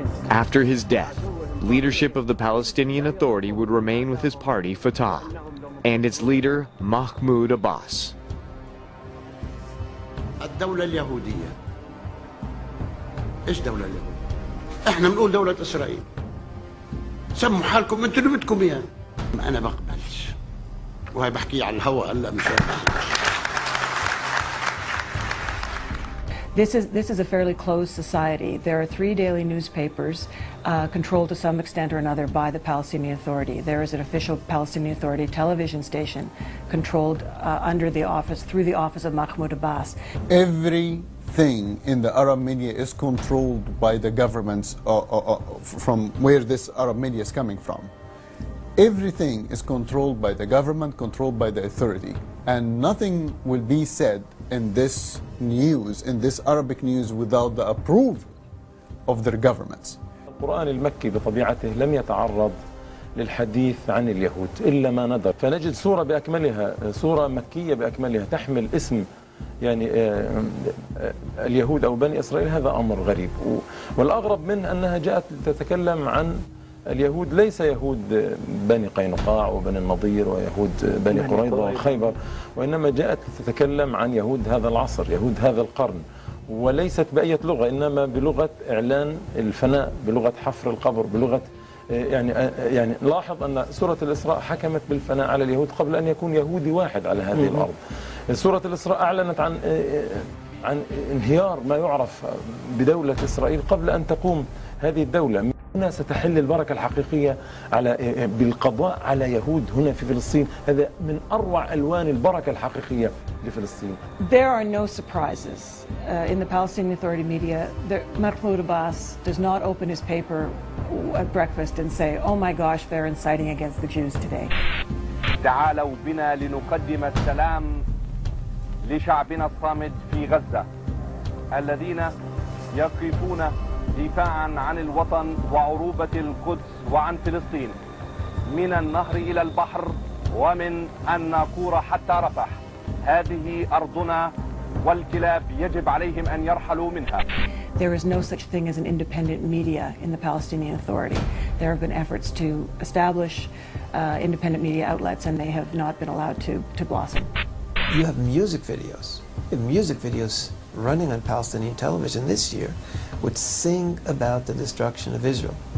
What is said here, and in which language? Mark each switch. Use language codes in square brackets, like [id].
[en] After his death, leadership of the Palestinian Authority would remain with his party, Fatah, and its leader, Mahmoud Abbas. [ar] الدولة اليهودية. إيش دولة اليهود؟ إحنا بنقول دولة إسرائيل. سموا حالكم أنتوا اللي بدكم إياه. أنا بقبلش. وهي بحكي على الهواء هلا مش [en] This is a fairly closed society. There are three daily newspapers controlled to some extent or another by the Palestinian Authority. There is an official Palestinian Authority television station controlled under the office, through the office of Mahmoud Abbas. Everything in the Arab media is controlled by the governments from where this Arab media is coming from. Everything is controlled by the government, controlled by the authority. And nothing will be said in this news, in this Arabic news, without the approval of their governments. The Quran al-Makki, by [ar] طبيعته, لم يتعرض للحديث عن اليهود إلا ما ندر. فنجد سورة بأكملها, سورة مكية بأكملها تحمل اسم يعني اليهود أو بني إسرائيل, هذا أمر غريب. والأغرب من أنها جاءت تتكلم عن اليهود ليس يهود بني قينقاع وبني النضير ويهود بني قريظة وخيبر, وإنما جاءت تتكلم عن يهود هذا العصر, يهود هذا القرن, وليست بأية لغة, إنما بلغة إعلان الفناء, بلغة حفر القبر, بلغة يعني لاحظ أن سورة الإسراء حكمت بالفناء على اليهود قبل أن يكون يهودي واحد على هذه الأرض. سورة الإسراء أعلنت عن انهيار ما يعرف بدولة إسرائيل قبل أن تقوم هذه الدولة. هنا ستحل البركة الحقيقية على بالقضاء على يهود هنا في فلسطين. هذا من أروع ألوان البركة الحقيقية لفلسطين. [en] There are no surprises in the Palestinian Authority media. Mahmoud Abbas does not open his paper at breakfast and say, "Oh my gosh, they're inciting against the Jews today." [ar] تعالوا بنا لنقدم السلام لشعبنا الصامد في غزة الذين يقفون دفاعا عن الوطن وعروبة القدس وعن فلسطين من النهر إلى البحر ومن الناقورة حتى رفح. هذه أرضنا والكلاب يجب عليهم أن يرحلوا منها. [en] There is no such thing as an independent media in the Palestinian Authority. There have been efforts to establish independent media outlets and they have not been allowed to blossom. You have music videos running on Palestinian television this year, which sing about the destruction of Israel.